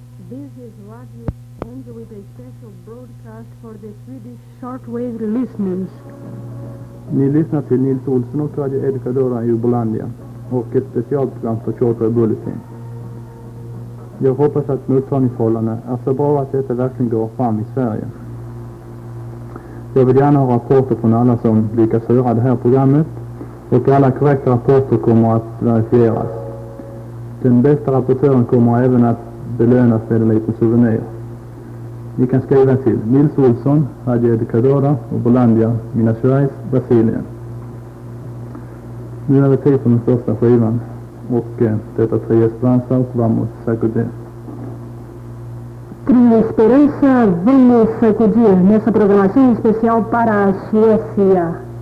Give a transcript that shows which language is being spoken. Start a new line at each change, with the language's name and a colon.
English: This is Radio End with a special broadcast for the Swedish shortwave listeners.
Swedish: Ni lyssnar till Nils Olsson och Radio Educadora i Ubolandia och ett specialprogram för Shortwave Bulletin. Jag hoppas att mottagningsförhållarna är så bra att detta verkligen går fram i Sverige. Jag vill gärna ha rapporter från alla som lyckas höra det här programmet och alla korrekta rapporter kommer att verifieras. Den bästa rapportören kommer även att belönas med en liten souvenir. Ni kan skriva till Nils Olsson, Radio Educadora och Bolandia, Minas Gerais, Brasilien. Nu är det tid för den första skivan och detta Tre Esperanza och Vamos Sacudé.
Portuguese: Tri Esperanza, Vamos Sacudé, nessa programação especial para a Suécia.